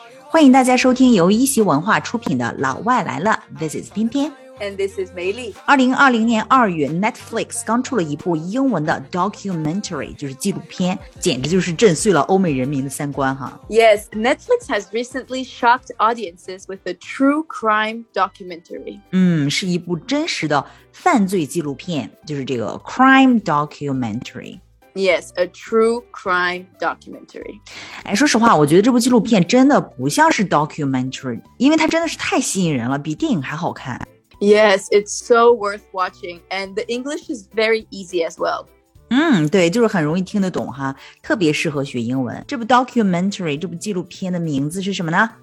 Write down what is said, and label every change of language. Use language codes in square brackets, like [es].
[zh] 欢迎大家收听由一席文化出品的《老外来了》。 [en] This is 翩翩。 And this is Mei Li. [zh] 2020年2月 ,Netflix 刚出了一部英文的 documentary, 就是纪录片，简直就是震碎了欧美人民的三观哈。 [en] Yes, Netflix has recently shocked audiences with a true crime documentary. [zh] 是一部真实的犯罪纪录片，就是这个 crime documentary。 [en] Yes, a true crime documentary. [zh] 哎，说实话，我觉得这部纪录片真的不像是 documentary, 因为它真的是太吸引人了，比电影还好看。 [en] Yes, it's so worth watching, and the English is very easy as well. [zh] 对，就是很容易听得懂哈，特别适合学英文。这部 documentary, 这部纪录片的名字是什么呢？